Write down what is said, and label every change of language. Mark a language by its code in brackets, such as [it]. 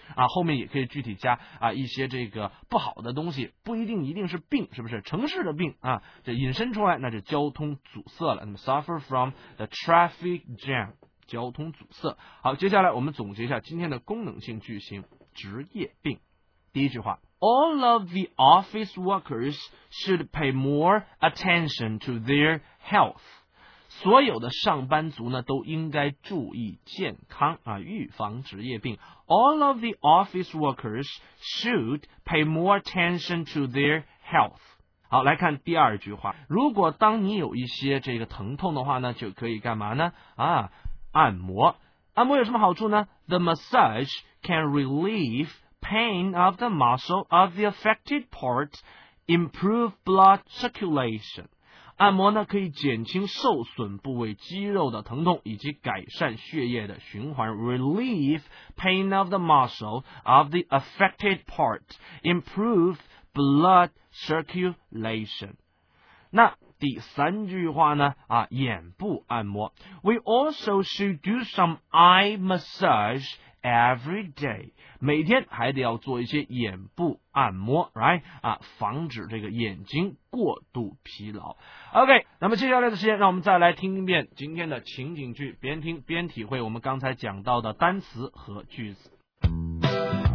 [zh] 啊，后面也可以具体加啊一些这个不好的东西，不一定一定是病，是不是？城市的病啊，这引申出来那就交通阻塞了。那么 [en] suffer from the traffic jam。 [zh] 交通阻塞。好，接下来我们总结一下今天的功能性句型，职业病。第一句话 [en] ,All of the office workers should pay more attention to their health. [zh] 所有的上班族呢都应该注意健康啊，预防职业病。 [en] All of the office workers should pay more attention to their health. [zh] 好，来看第二句话。如果当你有一些这个疼痛的话呢，就可以干嘛呢啊，按摩。按摩有什么好处呢？ [en] The massage can relieve pain of the muscle of the affected part, improve blood circulation. [zh] 按摩呢可以减轻受损部位肌肉的疼痛以及改善血液的循环。 [en] Relieve pain of the muscle of the affected part, improve blood circulation. [zh] 那第三句话呢啊，眼部按摩。 [en] We also should do some eye massage every day. [zh] 每天还得要做一些眼部按摩 ,right? 啊，防止这个眼睛过度疲劳。 OK, 那么接下来的时间让我们再来听一遍今天的情景剧，边听边体会我们刚才讲到的单词和句子。